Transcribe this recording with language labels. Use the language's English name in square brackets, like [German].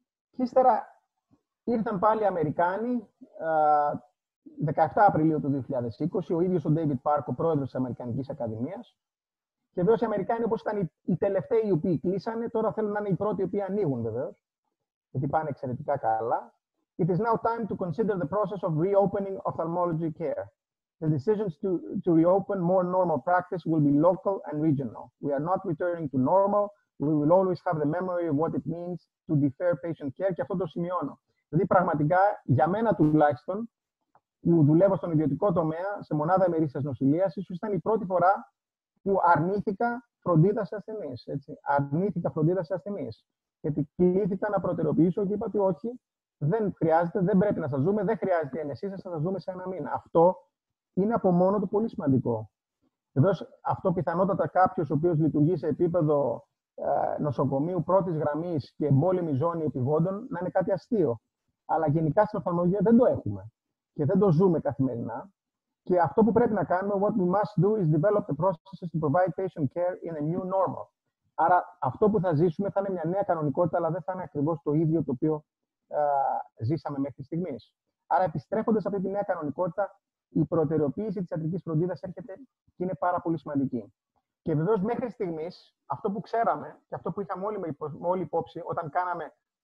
[Greek] Και ύστερα ήρθαν πάλι οι Αμερικάνοι, 17 Απριλίου του 2020, ο ίδιος ο David Park, ο πρόεδρος της Αμερικανικής Ακαδημίας. Και βέβαια οι Αμερικάνοι, όπως ήταν οι τελευταίοι οι οποίοι κλείσανε, τώρα θέλουν να είναι οι πρώτοι οι οποίοι ανοίγουν βεβαίως, γιατί πάνε εξαιρετικά καλά. [English] It is now time to consider the process of reopening ophthalmology care. The decisions to reopen more normal practice will be local and regional. We are not returning to normal. We will always have the memory of what it means to defer patient care. [Greek] Και αυτό το σημειώνω. Δηλαδή, πραγματικά, για μένα τουλάχιστον, που δουλεύω στον ιδιωτικό τομέα, σε μονάδα ημερήσιας νοσηλείας, ήταν η πρώτη φορά που αρνήθηκα φροντίδα σε ασθενείς. Έτσι. Αρνήθηκα φροντίδα σε ασθενείς. Γιατί κλήθηκα να προτεραιοποιήσω και είπα ότι όχι, δεν χρειάζεται, δεν πρέπει να σας δούμε, δεν χρειάζεται η ένεσή σας, θα σας δούμε σε ένα μήνα. Αυτό είναι από μόνο του πολύ σημαντικό. Βεβαίω, αυτό πιθανότατα κάποιο ο οποίο λειτουργεί σε επίπεδο νοσοκομείου πρώτη γραμμή και εμπόλεμη ζώνη επιβόντων να είναι κάτι αστείο. Αλλά γενικά στην οφθαλμολογία δεν το έχουμε και δεν το ζούμε καθημερινά. Και αυτό που πρέπει να κάνουμε, [English] what we must do is develop the processes to provide patient care in a new normal. [Greek] Άρα αυτό που θα ζήσουμε θα είναι μια νέα κανονικότητα, αλλά δεν θα είναι ακριβώς το ίδιο το οποίο ζήσαμε μέχρι στιγμής. Άρα επιστρέφοντας αυτή τη νέα κανονικότητα, η προτεραιοποίηση της ιατρικής φροντίδας έρχεται και είναι πάρα πολύ σημαντική. Και βεβαίως μέχρι στιγμής αυτό που ξέραμε και αυτό που είχαμε όλοι με όλη υπόψη όταν κάναμε.